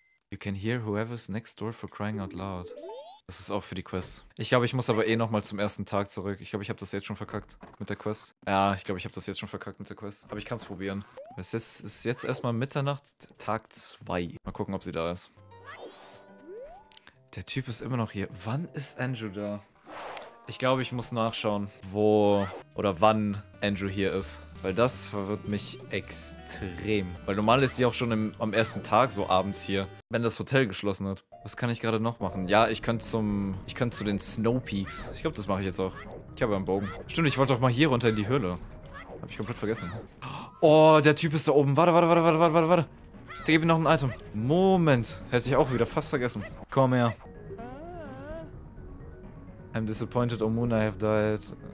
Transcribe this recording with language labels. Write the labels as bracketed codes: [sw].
[en] You can hear whoever's next door for crying out loud. [de] Das ist auch für die Quest. Ich glaube, ich muss aber eh nochmal zum ersten Tag zurück. Ich glaube, ich habe das jetzt schon verkackt mit der Quest. Ja, ich glaube, ich habe das jetzt schon verkackt mit der Quest. Aber ich kann es probieren. Es ist jetzt erstmal Mitternacht, Tag 2. Mal gucken, ob sie da ist. Der Typ ist immer noch hier. Wann ist Andrew da? Ich glaube, ich muss nachschauen, wo oder wann Andrew hier ist. Weil das verwirrt mich extrem. Weil normal ist sie auch schon am ersten Tag so abends hier, wenn das Hotel geschlossen hat. Was kann ich gerade noch machen? Ja, ich könnte zu den Snowpeaks. Ich glaube, das mache ich jetzt auch. Ich habe einen Bogen. Stimmt, ich wollte doch mal hier runter in die Höhle. Habe ich komplett vergessen. Oh, der Typ ist da oben. Warte. Der gibt mir noch ein Item. Moment. Hätte ich auch wieder fast vergessen. Komm her. [en] I'm disappointed, Omuna, I have died.